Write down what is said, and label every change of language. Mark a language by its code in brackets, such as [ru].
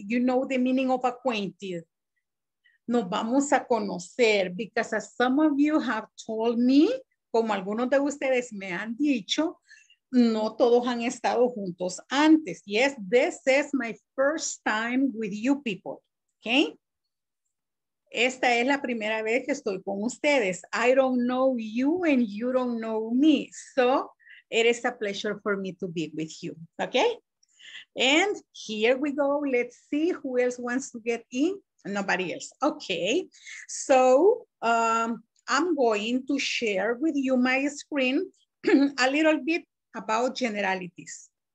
[en] You know the meaning of acquainted. [es] Nos vamos a conocer, [en] because as some of you have told me, [es] como algunos de ustedes me han dicho, no todos han estado juntos antes. [en] Yes, this is my first time with you people, okay? [es] Esta es la primera vez que estoy con ustedes. [en] I don't know you and you don't know me. So it is a pleasure for me to be with you. Okay. And here we go. Let's see who else wants to get in. Nobody else. Okay. So I'm going to share with you my screen a little bit about generalities.